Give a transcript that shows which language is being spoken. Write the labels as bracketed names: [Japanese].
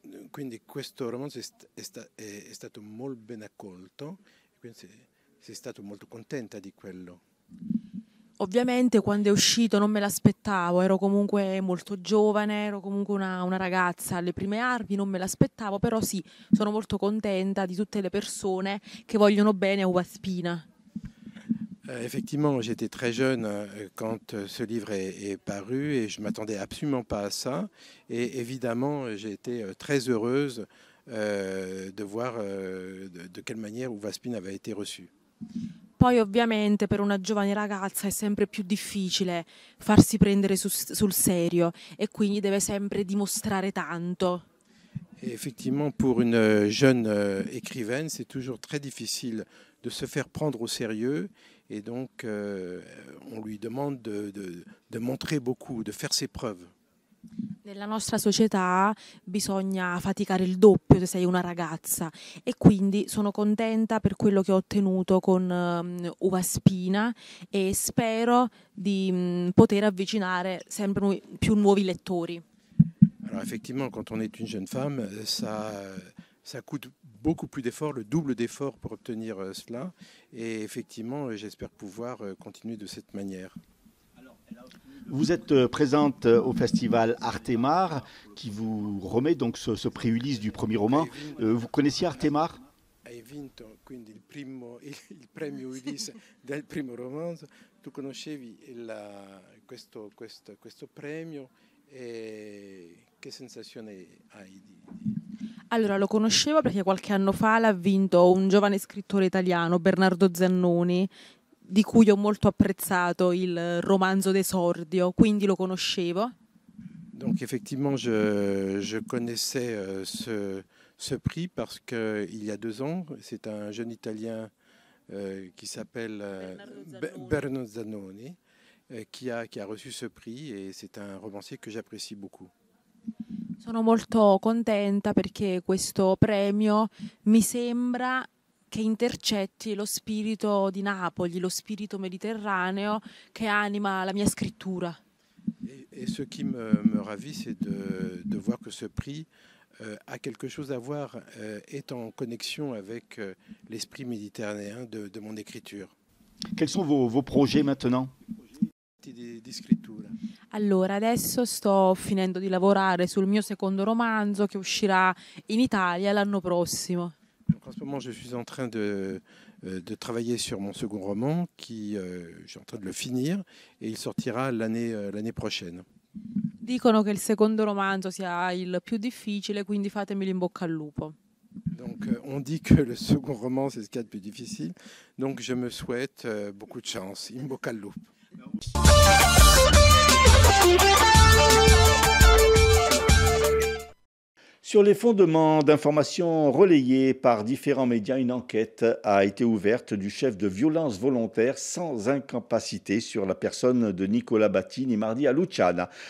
[Italian] Quindi questo romanzo è stato molto ben accolto, quindi sei stato molto contenta di quello. Ovviamente quando è uscito non me l'aspettavo, ero comunque molto giovane, ero comunque una ragazza alle prime armi, non me l'aspettavo, però sì, sono molto contenta di tutte le persone che vogliono bene a Uva Spina. [French] Effectivement, j'étais très jeune quand ce livre est paru et je ne m'attendais absolument pas à ça. Et évidemment, j'ai été très heureuse de voir de quelle manière Uva Spin avait été reçue. [Italian] Poi ovviamente per una giovane ragazza è sempre più difficile farsi prendere sul serio e quindi deve sempre dimostrare tanto. [French] Et effectivement, pour une jeune écrivaine, c'est toujours très difficile de se faire prendre au sérieux et donc on lui demande de montrer beaucoup, de faire ses preuves. [Italian] Nella nostra società bisogna faticare il doppio se sei una ragazza e quindi sono contenta per quello che ho ottenuto con Uva Spina e spero di poter avvicinare sempre più nuovi lettori. [French] Alors effectivement quand on est une jeune femme ça coûte beaucoup plus d'efforts, le double d'efforts pour obtenir cela et effectivement j'espère pouvoir continuer de cette manière. Vous êtes présente au festival Artemar, qui vous remet donc ce prix Ulysse du premier roman. Vous connaissiez Artemar ? [Italian] Hai vinto quindi il premio Ulisse del primo romanzo. Tu conoscevi questo premio e che sensazione hai di? Allora, lo conoscevo perché qualche anno fa l'ha vinto un giovane scrittore italiano, Bernardo Zannoni, di cui ho molto apprezzato il romanzo d'esordio, quindi lo conoscevo. [French] Donc effectivement je connaissais ce prix parce que il y a deux ans, c'est un jeune italien qui s'appelle Bernardo Zannoni qui a reçu ce prix et c'est un romancier que j'apprécie beaucoup. [Italian] Sono molto contenta perché questo premio mi sembra che intercetti lo spirito di Napoli, lo spirito mediterraneo che anima la mia scrittura. [French] Et ce qui me ravit c'est de voir que ce prix a quelque chose à voir est en connexion avec l'esprit méditerranéen de mon écriture. Quels sont vos projets maintenant? [Italian] Di scrittura. Allora, adesso sto finendo di lavorare sul mio secondo romanzo che uscirà in Italia l'anno prossimo. [French] Donc en ce moment, je suis en train de travailler sur mon second roman, qui j'ai en train de le finir, et il sortira l'année prochaine. [Italian] Dicono che il secondo romanzo sia il più difficile, quindi fatemi in bocca al lupo. [French] Donc on dit que le second roman c'est ce qu'il y a de plus difficile, donc je me souhaite beaucoup de chance, [Italian] in bocca al lupo. [French] Sur les fondements d'informations relayées par différents médias, une enquête a été ouverte du chef de violence volontaire sans incapacité sur la personne de Nicola Battini mardi à Luciana.